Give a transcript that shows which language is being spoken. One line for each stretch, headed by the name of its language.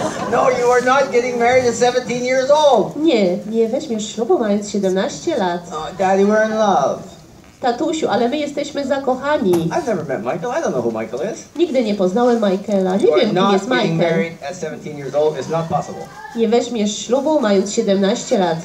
English: No, you are not getting married at 17 years old.
Polish: Nie, nie weźmiesz ślubu mając 17 lat.
English: Daddy, we're in love.
Polish: Tatusiu, ale my jesteśmy zakochani.
English: I've never met Michael. I don't know who Michael is.
Polish: Nigdy nie poznałem Michaela. Nie wiem, kim jest Michael.
English: Getting married at 17 years old is not possible.
Polish: Nie weźmiesz ślubu mając 17 lat.